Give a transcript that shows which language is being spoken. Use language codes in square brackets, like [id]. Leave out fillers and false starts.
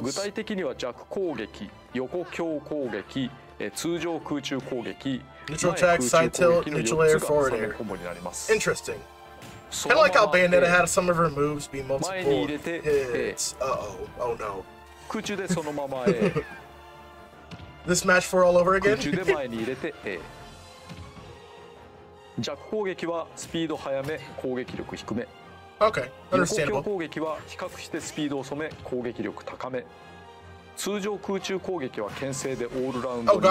[ja] 具体的には弱攻撃、横強攻撃、通常空中攻撃、前空中攻撃の4つが三連コンボになります。 [en] Interesting. Kind of like how Bayonetta had some of her moves be multiple hits. Uh-oh. Oh no. [ja] 空中でそのままへ。 [en] This match for all over again? [ja] 空中で前に入れて A。弱攻撃はスピード速め、攻撃力低め。 [en] Okay, understandable. [ja] 横強攻撃は比較してスピード遅め、攻撃力高め。通常空中攻撃は牽制でオールラウンドに使え。